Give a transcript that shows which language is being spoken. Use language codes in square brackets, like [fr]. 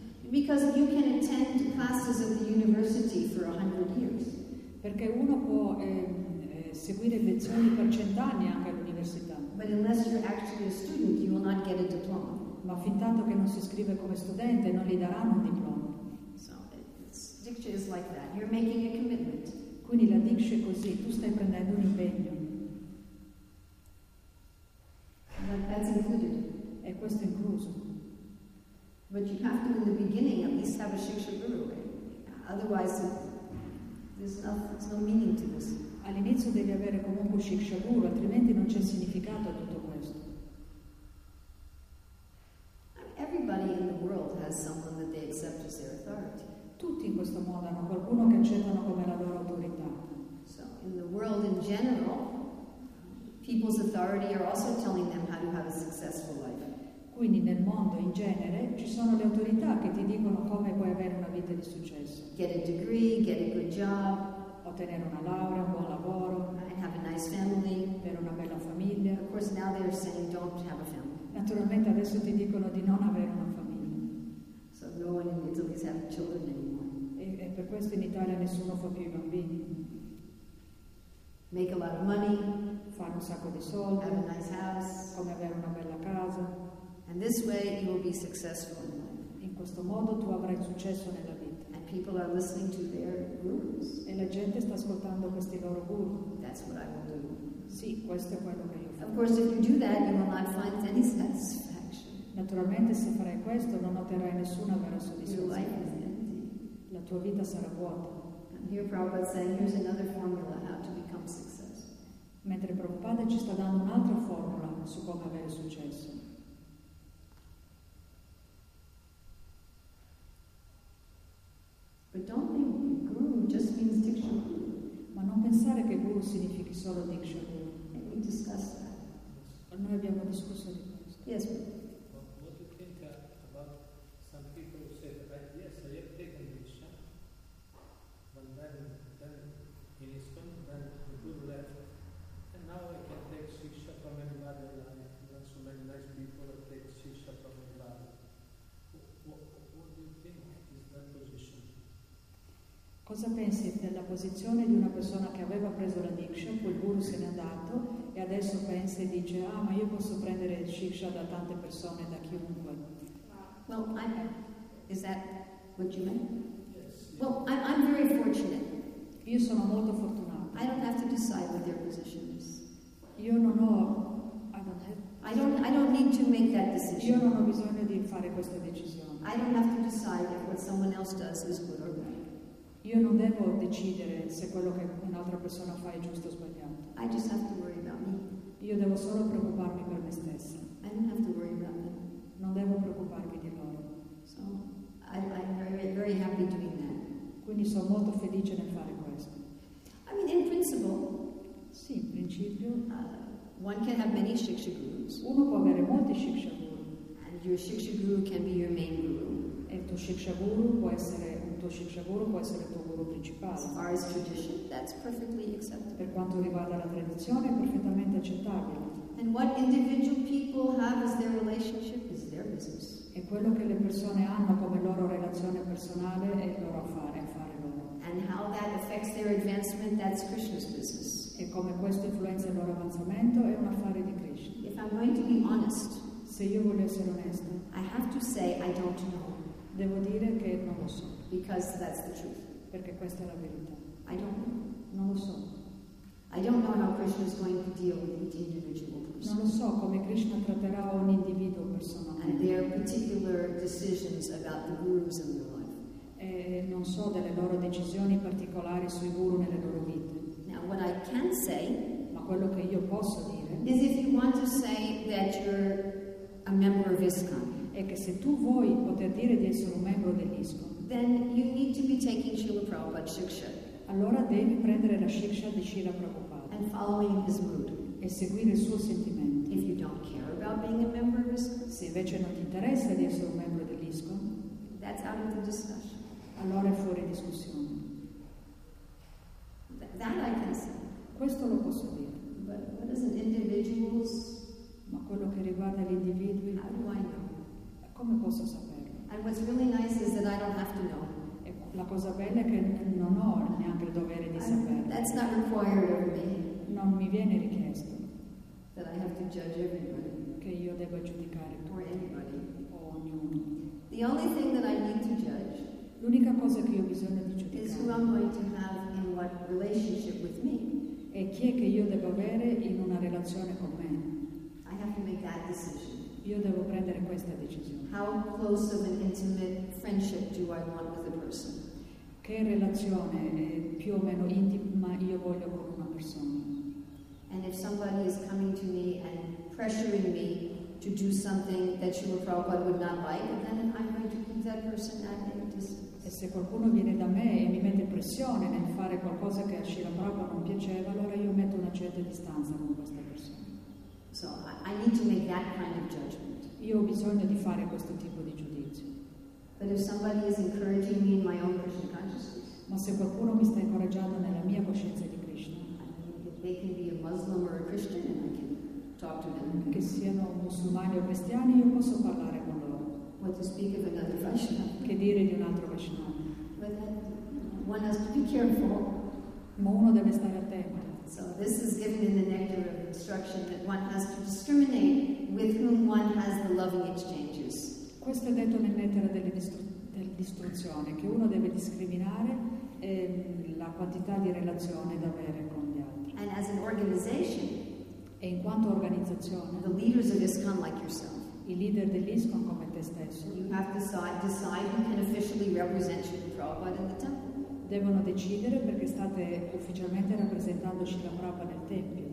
[en] Because you can attend classes at the university for 100 years. [it] Perché uno può seguire lezioni per 100 anni anche all'università. [en] But unless you're actually a student, you will not get a diploma. [it] Ma fin tanto che non si iscrive come studente, non gli daranno un diploma. [en] So, Diksha is like that. You're making a commitment. [it] Quindi la Diksha è così. Tu stai prendendo un impegno. [en] That's included. [it] E questo è incluso. [en] But you have to, in the beginning, at least have a Shiksha Guru. Otherwise, there's no meaning to this. [it] All'inizio devi avere comunque un Shiksha Guru, altrimenti non c'è significato a tutto questo. [en] Everybody in the world has someone that they accept as their authority. [it] Tutti in questo modo hanno qualcuno che accettano come la loro autorità. [en] So, in the world in general, people's authority are also telling them how to have a successful life. [it] Quindi nel mondo in genere ci sono le autorità che ti dicono come puoi avere una vita di successo. [en] Get a degree, get a good job. [it] Ottenere una laurea, un buon lavoro. [en] And have a nice family. [it] Avere una bella famiglia. [en] Of course, now they're saying don't have a family. [it] Naturalmente adesso ti dicono di non avere una famiglia. [en] So no one in Italy has children anymore. [it] E per questo in Italia nessuno fa più i bambini. [en] Make a lot of money. [it] Fare un sacco di soldi. [en] Have a nice house. [it] Come avere una bella casa. [en] And this way you will be successful in life. [it] In questo modo tu avrai successo nella vita. [en] And people are listening to their gurus. [it] E la gente sta ascoltando questi loro guru. [en] That's what I will do. [it] Sì, questo è quello che io faccio. [en] Of course, if you do that, you will not find any satisfaction. [it] Naturalmente, se farai questo, non otterrai nessuna vera soddisfazione. [en] Your life is empty. [it] La tua vita sarà vuota. [en] And here Prabhupada is saying, here's another formula how to become successful. [it] Mentre Prabhupada ci sta dando un'altra formula su come avere successo. [en] But don't think guru just means diksha guru. [it] Ma non pensare che guru significhi solo diksha guru. [en] Discuss that. [it] Noi abbiamo discusso di questo. [en] Yes. What do you think about some people who say that yes, I have taken Diksha, but then in Iskon, then the Guru left, and now I can take Shiksha from anybody. Not so many nice people that take Shiksha from anybody. What do you think is that position? [it] Cosa pensi della posizione di una persona che aveva preso la Diksha, poi il Guru se n'è andato? E adesso pensa e dice, ah, ma io posso prendere il Shiksha da tante persone, da chiunque. [en] Well, is that what you mean? Yes. Well, I'm very fortunate. [it] Io sono molto fortunato. [en] I don't have to decide what their position is. [it] Io non ho, [en] I don't need to make that decision. [it] Io non ho bisogno di fare questa decisione. [en] I don't have to decide if what someone else does is good or bad. [it] Io non devo decidere se quello che un'altra persona fa è giusto o sbagliato. [en] I just have to worry about me. [it] Io devo solo preoccuparmi per me stessa. [en] I don't have to worry about them. [it] Non devo preoccuparmi di loro. [en] So, I'm very, very happy doing that. [it] Quindi sono molto felice nel fare questo. [en] I mean, in principle. [it] Sì, in principio. [en] One can have many Shiksha Gurus. [it] Uno può avere molti Shiksha Guru. [en] And your Shiksha Guru can be your main Guru. [it] E il tuo Shiksha Guru può essere il tuo guru principale. [en] As far as tradition, that's perfectly acceptable. [it] Per quanto riguarda la tradizione, è perfettamente accettabile. [en] And what individual people have as their relationship is their business. [it] E quello che le persone hanno come loro relazione personale è il loro affare, affare loro. [en] And how that affects their advancement, that's Krishna's business. [it] E come questo influenza il loro avanzamento è un affare di Krishna. [en] If I'm going to be honest, [it] se io voglio essere onesto, [en] I have to say I don't know. [it] Devo dire che non lo so. [en] Because that's the truth. [it] Perché questa è la verità. [en] I don't know. [it] Non lo so. [en] I don't know how Krishna is going to deal with each individual person. [it] Non lo so come Krishna tratterà un individuo personale. [en] And their particular decisions about the gurus in their life. [it] E so delle loro decisioni particolari sui guru nelle loro vite. [en] Now what I can say, [it] ma quello che io posso dire, [en] is if you want to say that you're a member of ISKCON, [it] è che se tu vuoi poter dire di essere un membro dell'ISKCON, [en] then you need to be taking Srila Prabhupada's Shiksha. [it] Allora devi prendere la Shiksha di Srila Prabhupada. [en] And following his mood. [it] E seguire il suo sentimento. [en] If you don't care about being a member of ISKCON, [it] se invece non ti interessa di essere un membro dell'ISKCON, [en] that's out of the discussion. [it] Allora è fuori discussione. [en] That I can say. [it] Questo lo posso dire. [en] But what is an individual's? [it] Ma quello che riguarda gli individui. [en] How do I know? [it] Come posso saperlo? [en] And what's really nice is that I don't have to know. [it] E la cosa bella è che non ho neanche il dovere di saperlo. [en] That's not required of me. [it] Non mi viene richiesto. [en] That I have to judge everybody. [it] Che io debba giudicare. [en] Or anybody. [it] O ognuno. [en] The only thing that I need to judge. [it] L'unica cosa che io ho bisogno di giudicare [en] is who I'm going to have in what relationship with me. [it] È chi è che io devo avere in una relazione con me. [en] I have to make that decision. [it] Io devo prendere questa decisione. [en] How close of an intimate friendship do I want with a person? [it] Che relazione più o meno intima io voglio con una persona? [en] And if somebody is coming to me and pressuring me to do something that Srila Prabhupada would not like, then I'm going to keep that person at a distance. [it] E se qualcuno viene da me e mi mette pressione nel fare qualcosa che a Srila Prabhupada non piaceva, allora io metto una certa distanza con questa persona. [en] So I need to make that kind of judgment. [it] Io ho bisogno di fare questo tipo di giudizio. [en] But if somebody is encouraging me in my own Krishna consciousness, [it] ma se qualcuno mi sta incoraggiando nella mia coscienza di Krishna, [en] they can be a Muslim or a Christian and I can talk to them. [it] Che siano musulmani o cristiani, io posso parlare con loro. [en] What to speak of another Vaishnava. [it] Che dire di un altro Vaishnava. [en] But then one has to be careful. [it] Ma uno deve stare attento. [en] So this is given in the nectar of instruction that one has to discriminate with whom one has the loving exchanges. [it] Questo è detto nel nettare dell'istruzione, che uno deve discriminare la quantità di relazione da avere con gli altri. [en] And as an organization, [it] e in quanto organizzazione, [en] the leaders of ISKCON like yourself, [it] i leader dell'ISKCON come te stesso, [en] you have to decide who can officially represent Srila Prabhupada in the temple. [it] Devono decidere perché state ufficialmente rappresentando Srila Prabhupada nel tempio.